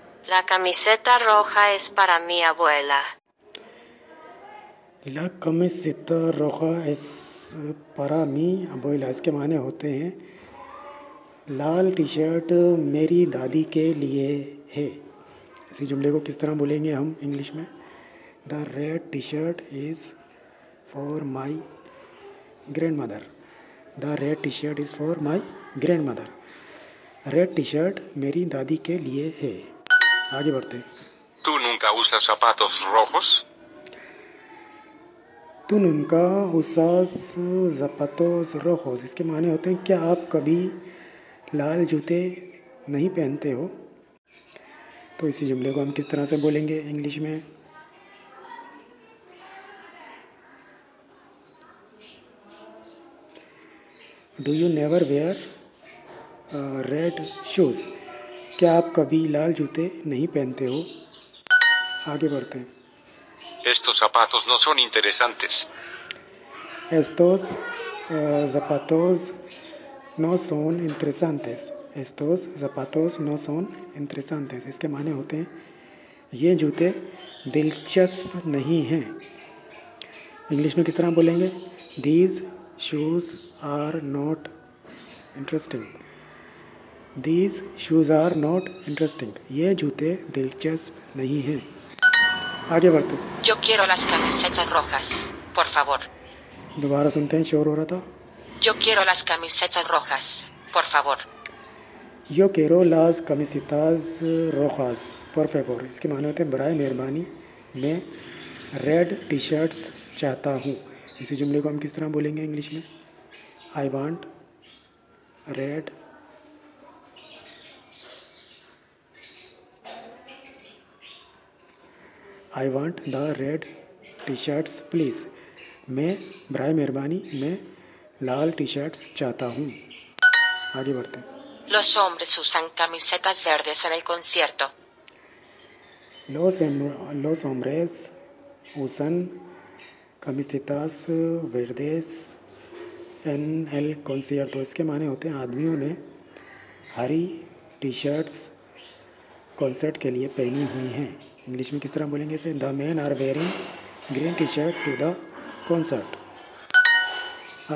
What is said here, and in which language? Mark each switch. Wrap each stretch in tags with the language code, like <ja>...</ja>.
<es>La camiseta roja es para mi abuela. La camiseta roja es para mi abuela.</es> <hi>इसके माने होते हैं लाल T shirt मेरी दादी के लिए है। इसी जुमले को किस तरह बोलेंगे हम इंग्लिश में,</hi> <en>The red T shirt is for my grandmother. The</en> <hi>red T shirt is for my grand mother. Red T shirt मेरी दादी के लिए है। आगे बढ़ते हैं।</hi> <es>तू नुनका उसा ज़ापातोस रोहोस। तू नुनका उसा ज़ापातोस रोहोस।</es> <hi>इसके माने होते हैं क्या आप कभी लाल जूते नहीं पहनते हो। तो इसी जुमले को हम किस तरह से बोलेंगे इंग्लिश में,</hi> <en>Do you never wear red shoes.</en> <hi>क्या आप कभी लाल जूते नहीं पहनते हो। आगे बढ़ते हैं।</hi> <es>Estos zapatos no son interesantes. Estos zapatos no son interesantes. Estos zapatos no son interesantes.</es> <hi>इसके माने होते हैं ये जूते दिलचस्प नहीं हैं। इंग्लिश में किस तरह बोलेंगे,</hi> <en>These shoes are not interesting. These shoes are not interesting.</en> <hi>ये जूते दिलचस्प नहीं हैं। आगे बढ़ते।</hi> <es>Yo quiero las camisetas rojas, por favor.</es> <hi>दोबारा सुनते हैं, शोर हो रहा था।</hi> <es>Yo quiero las camisetas rojas, por favor. यो केरो लाज कमिसिताज रोहास पर फेवर।</es> <hi>इसके माने होते हैं बराए मेहरबानी मैं रेड टी शर्ट्स चाहता हूँ। इसी जुमले को हम किस तरह बोलेंगे इंग्लिश में,</hi> <en>I want red I want the red T shirts please.</en> <hi>मैं बराए मेहरबानी मैं लाल टी शर्ट्स चाहता हूँ। आगे बढ़ते हैं।</hi> <es>Los hombres usan camisetas verdes en el concierto. Los hombres usan camisetas verdes en el concierto.</es> <hi>इसके माने होते हैं आदमियों ने हरी टी शर्ट्स कॉन्सर्ट के लिए पहनी हुई हैं। इंग्लिश में किस तरह बोलेंगे इसे,</hi> <en>The man are wearing green T shirt to the concert.</en>